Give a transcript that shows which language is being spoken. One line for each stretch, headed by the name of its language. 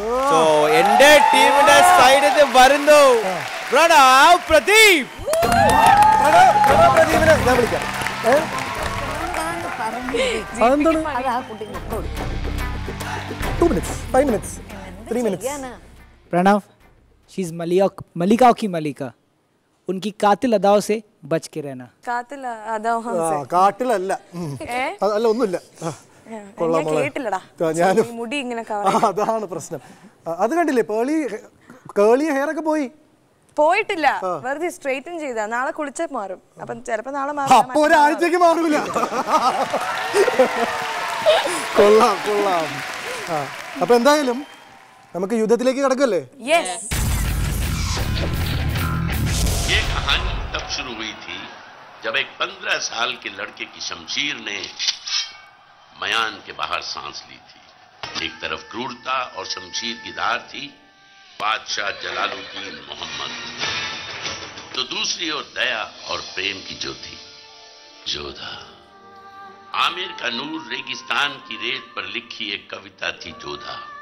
Malayalam: So എന്റെ ടീമിന്റെ സൈഡിൽ വരുന്നോ പ്രണവ് പ്രദീപ്. പ്രണവ്,
English: She's Malika, Malika.
Hindi: उनकी कातिल अदाओं से बच के रहना. कातिल अदाओं से
Malayalam: कातिल അല്ല അല്ല ഒന്നും ഇല്ല കൊള്ള മോളെ കേട്ടില്ലടാ ഞാൻ മുടി ഇങ്ങനെ കവറാ അതാണ് പ്രശ്നം അത് കണ്ടില്ലേ പേളി കേളിയ ഹെയർ ഒക്കെ പോയി പോയിട്ടില്ല വെറുതെ സ്ട്രൈറ്റൻ ചെയ്താ നാളെ കുളിച്ചേ മാറും അപ്പോൾ ചിലപ്പോൾ നാളെ മാറാം അപ്പോൾ ഒരാഴ്ചയ്ക്ക് മാറില്ല കൊള്ളാം കൊള്ളാം അപ്പോൾ എന്തായാലും നമുക്ക് യുദ്ധത്തിലേക്ക് കടക്കല്ലേ
English: yes
Hindi: ये कहानी तब शुरू हुई थी जब एक 15 साल के लड़के की शमशीर ने मयान के बाहर सांस ली थी एक तरफ क्रूरता और शमशीर की धार थी बादशाह जलालुद्दीन मोहम्मद तो दूसरी ओर दया और प्रेम की ज्योति जोधा आमिर का नूर रेगिस्तान की रेत पर लिखी एक कविता थी जोधा